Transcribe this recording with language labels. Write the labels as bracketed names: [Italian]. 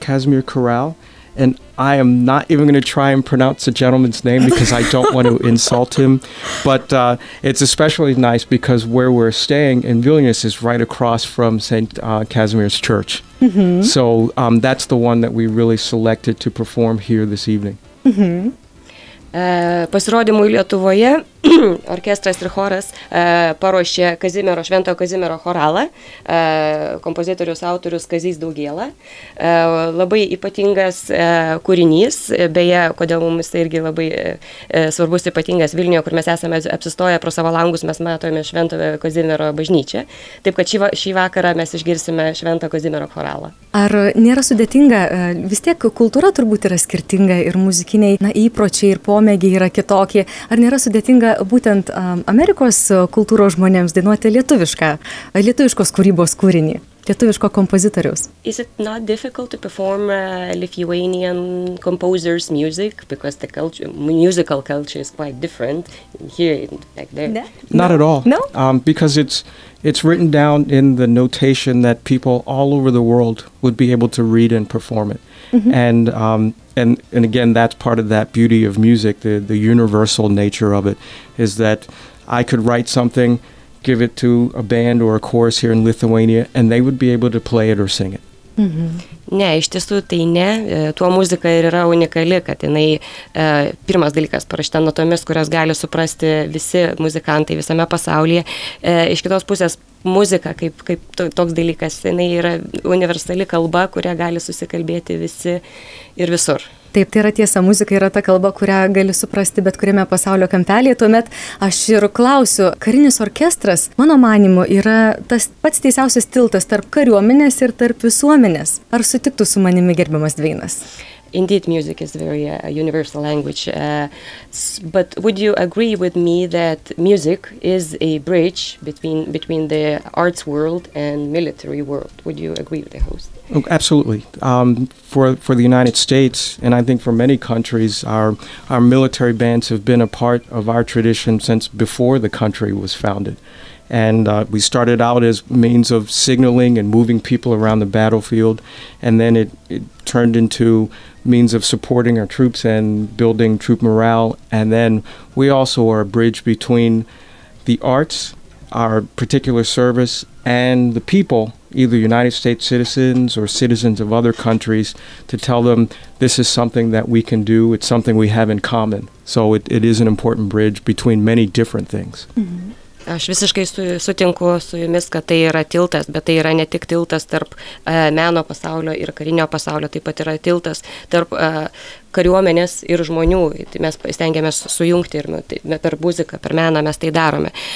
[English] Casimir Chorale, and I am not even going to try and pronounce the gentleman's name because I don't want to insult him, but it's especially nice because where we're staying in Vilnius is right across from St. Casimir's Church. Mm-hmm. So that's the one that we really selected to perform here this evening. Mm-hmm. [Lithuanian] Pasirodymui Lietuvoje orkestras ir choras paruošė Kazimiero, Švento Kazimiero choralą, kompozitorius autorius Kazys Daugėla. Labai ypatingas kūrinys, beje, kodėl mums tai irgi labai svarbus ypatingas Vilniuje, kur mes esame apsistoję pro savo langus, mes matome Švento Kazimiero bažnyčią. Taip kad šį vakarą mes išgirsime Švento Kazimiero choralą. Ar nėra sudėtinga, vis tiek kultūra turbūt yra skirtinga ir muzikiniai įpročiai ir pomėgiai yra kitokie. Ar nėra sudėtinga būtent Amerikos kultūros žmonėms dainuoti lietuviškos kūrybos kūrinį, lietuviško kompozitoriaus? [English] Is it not difficult to perform Lithuanian composer's music? Because the culture, musical culture is quite different here and back there. [Lithuanian] Ne? [English] Not at all. No? Because it's written down in the notation that people all over the world would be able to read and perform it. Mm-hmm. And again, that's part of that beauty of music, the universal nature of it, is that I could write something, give it to a band or a chorus here in Lithuania, and they would be able to play it or sing it. [Lithuanian] Mm-hmm. Ne, iš tiesų tai ne. Tuo muzika ir yra unikali, kad jinai pirmas dalykas parašta natomis, kurias gali suprasti visi muzikantai visame pasaulyje. Iš kitos pusės muzika, kaip toks dalykas, jinai yra universali kalba, kurią gali susikalbėti visi ir visur. Taip, tai yra tiesa, muzika yra ta kalba, kurią gali suprasti bet kuriame pasaulio kampelėje. Tuomet aš ir klausiu, karinis orkestras, mano manimu, yra tas pats teisiausias tiltas tarp kariuomenės ir tarp visuomenės. Ar sutiktų su manimi gerbiamas Dvainas? [English] Indeed, music is very universal language, but would you agree with me that music is a bridge between the arts world and military world? Would you agree with the host? Oh, absolutely. For the United States, and I think for many countries, our military bands have been a part of our tradition since before the country was founded. And we started out as means of signaling and moving people around the battlefield, and then it turned into means of supporting our troops and building troop morale. And then we also are a bridge between the arts, our particular service, and the people, either United States citizens or citizens of other countries, to tell them this is something that we can do, it's something we have in common. So it is an important bridge between many different things. Mm-hmm. [Lithuanian] Aš visiškai sutinku su jumis, kad tai yra tiltas, bet tai yra ne tik tiltas tarp meno pasaulio ir karinio pasaulio, taip pat yra tiltas tarp kariuomenės ir žmonių. Tai mes stengiamės sujungti ir per muziką, per meną mes tai darome.